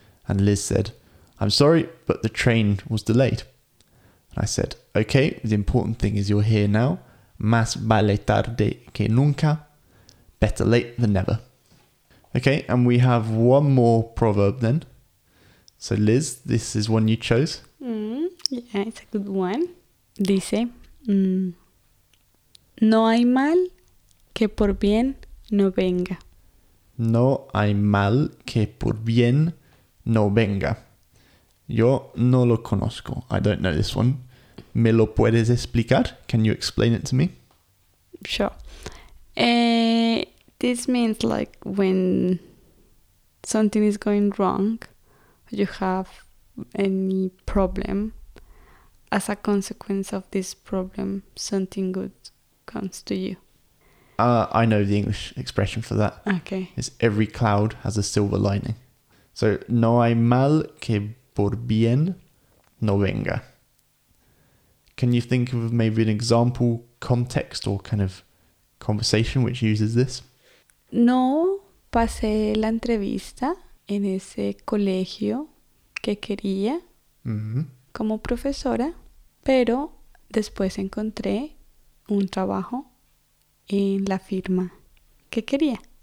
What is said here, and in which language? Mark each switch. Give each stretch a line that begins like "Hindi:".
English: And Liz said, I'm sorry, but the train was delayed. And I said, okay, the important thing is you're here now.
Spanish: Más vale tarde que nunca.
English: better late than never. Okay, and we have one more proverb then. So Liz, this is one you chose. Yeah, it's a good one.
Spanish: Dice, no hay mal que por bien no venga. No hay mal que por bien no venga. Yo no lo conozco.
English: I don't know this one.
Spanish: ¿Me lo puedes explicar?
English: Can you explain it to me? Sure. This means like when something is going wrong, you have any problem. As a consequence of this problem, something good comes to you. I know the English expression for that. Okay. It's every cloud has a silver lining.
Spanish: So, no hay mal que por bien no venga.
English: Can you think of maybe an example context or kind of conversation which uses this?
Spanish: No pasé la entrevista en ese colegio que quería como profesora, pero después encontré un trabajo en la firma que quería.